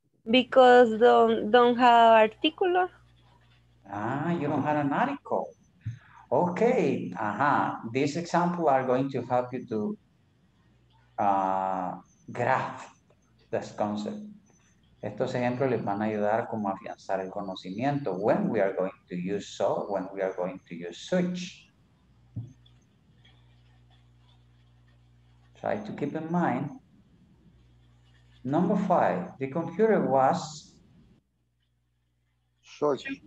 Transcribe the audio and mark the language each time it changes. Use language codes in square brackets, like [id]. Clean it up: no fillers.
[en] Because don't have articulo. Ah, you don't have an article. Okay, these examples are going to help you to grasp this concept. [es] Estos ejemplos les van a ayudar como afianzar el conocimiento. [en] When we are going to use so, when we are going to use such. Try to keep in mind. Number 5, the computer was such.